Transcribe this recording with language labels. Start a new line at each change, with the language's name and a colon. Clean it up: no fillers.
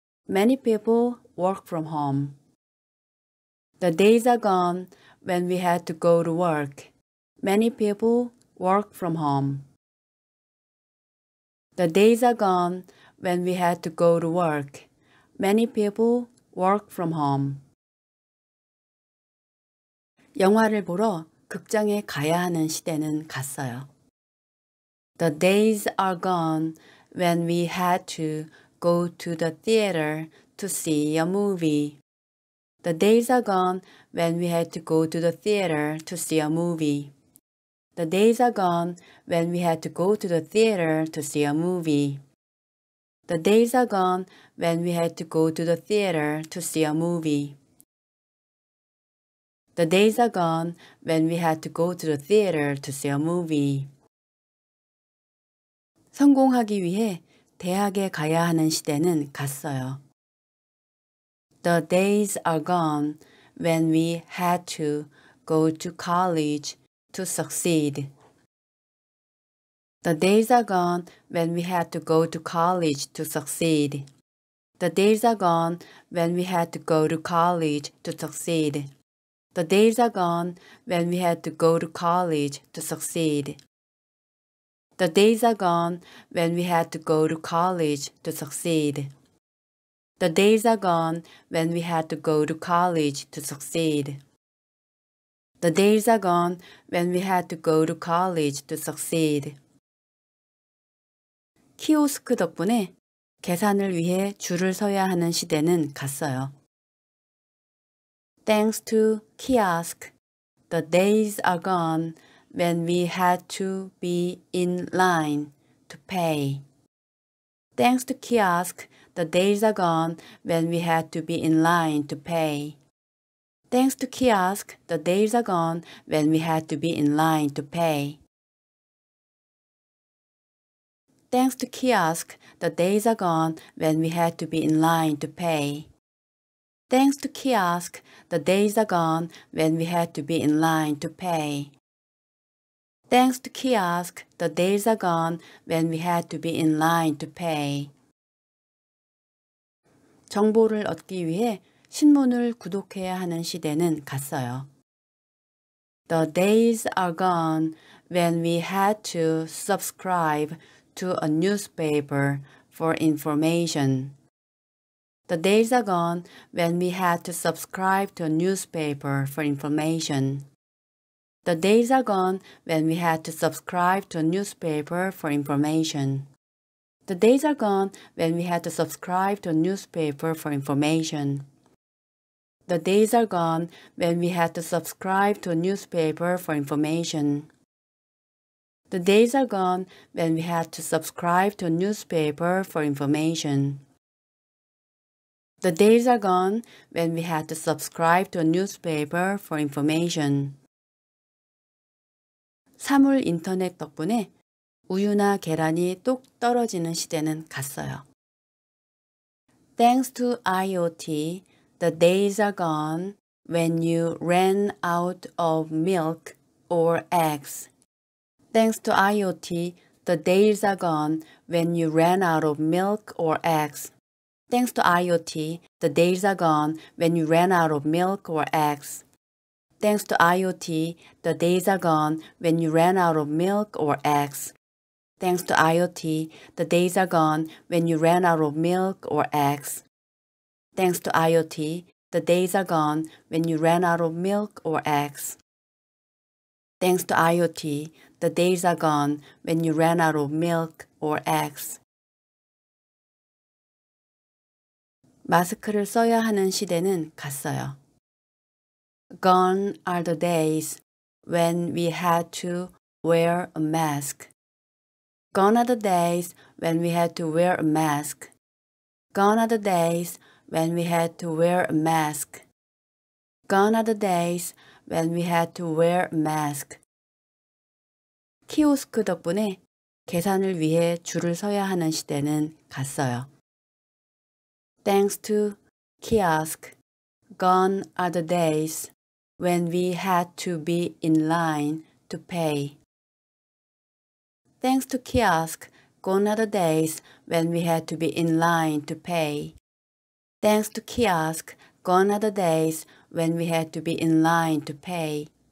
English: Many people work from home. The days are gone when we had to go to work. Many people work from home. The days are gone when we had to go to work. Many people work from home.
Korean: 영화를 보러 극장에 가야 하는 시대는 갔어요.
English: The days are gone when we had to go to the theater to see a movie. The days are gone when we had to go to the theater to see a movie. The days are gone when we had to go to the theater to see a movie. The days are gone when we had to go to the theater to see a movie. The days are gone when we had to go to the theater to see a movie.
Korean: 성공하기 위해 대학에 가야 하는 시대는 갔어요.
English: The days are gone when we had to go to college to succeed. The days are gone when we had to go to college to succeed. The days are gone when we had to go to college to succeed. The days are gone when we had to go to college to succeed. The days are gone when we had to go to college to succeed. The days are gone when we had to go to college to succeed. The days are gone when we had to go to college to succeed.
Korean: 키오스크 덕분에 계산을 위해 줄을 서야 하는 시대는 갔어요.
English: Thanks to kiosk, the days are gone when we had to be in line to pay. Thanks to kiosk, the days are gone when we had to be in line to pay. Thanks to kiosk, the days are gone when we had to be in line to pay. Thanks to kiosk, the days are gone when we had to be in line to pay. Thanks to kiosk, the days are gone when we had to be in line to pay. Thanks to kiosk, the days are gone when we had to be in line to pay.
Korean: 정보를 얻기 위해 신문을 구독해야 하는 시대는 갔어요.
English: The days are gone when we had to subscribe to a newspaper for information. The days are gone when we had to subscribe to a newspaper for information. The days are gone when we had to subscribe to a newspaper for information. The days are gone when we had to subscribe to a newspaper for information. The days are gone when we had to subscribe to a newspaper for information. The days are gone when we had to subscribe to a newspaper for information. The days are gone when we had to subscribe to a newspaper for information.
Korean: 사물인터넷 덕분에 우유나 계란이 뚝 떨어지는 시대는 갔어요.
English: Thanks to IoT, the days are gone when you ran out of milk or eggs. Thanks to IoT, the days are gone when you ran out of milk or eggs. Thanks to IoT, the days are gone when you ran out of milk or eggs. Thanks to IoT, the days are gone when you ran out of milk or eggs. Thanks to IoT, the days are gone when you ran out of milk or eggs. Thanks to IoT, the days are gone when you ran out of milk or eggs. Thanks to IoT, the days are gone when you ran out of milk or eggs.
Korean: 마스크를 써야 하는 시대는 갔어요.
English: Gone are the days when we had to wear a mask. Gone are the days when we had to wear a mask. Gone are the days when we had to wear a mask. Gone are the days when we had to wear a mask.
Korean: 키오스크 덕분에 계산을 위해 줄을 서야 하는 시대는 갔어요.
English: thanks to kiosk. Gone are the days when we had to be in line to pay. Thanks to kiosk, gone are the days when we had to be in line to pay. Thanks to kiosk, gone are the days when we had to be in line to pay.